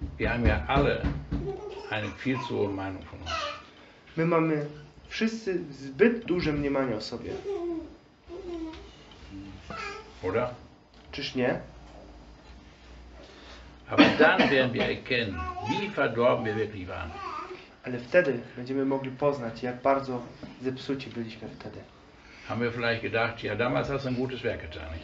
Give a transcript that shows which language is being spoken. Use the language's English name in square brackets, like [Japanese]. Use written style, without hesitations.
[German] Wir haben ja alle eine viel zu hohe Meinung von uns. [Polish] My mamy wszyscy zbyt duże mniemanie o sobie. [German] Oder? [Polish] Czyż nie? [German] Aber dann werden wir erkennen, wie verdorben wir wirklich waren. [Polish] Ale wtedy będziemy mogli poznać, jak bardzo zepsuci byliśmy wtedy. [German] Haben wir vielleicht gedacht, ja damals hast du ein gutes Werk getan.